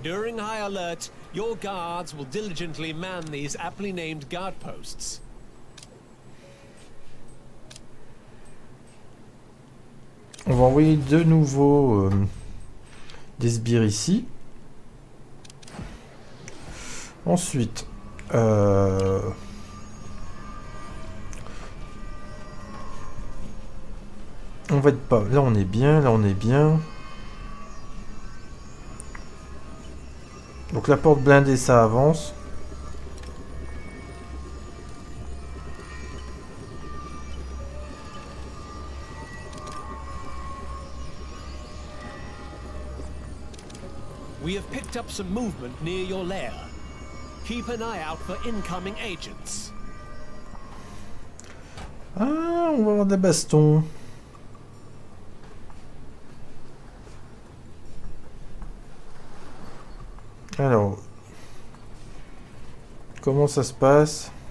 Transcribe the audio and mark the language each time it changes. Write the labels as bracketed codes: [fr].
[en] During high alert, your guards will diligently man these aptly named guard posts. [fr] On va envoyer de nouveau des sbires ici. Ensuite, on va être pas. Là on est bien. Donc la porte blindée, ça avance. [en] We have picked up some movement near your lair. Keep an eye out for incoming agents. [fr] Ah, on va avoir des bastons. Alors, comment ça se passe?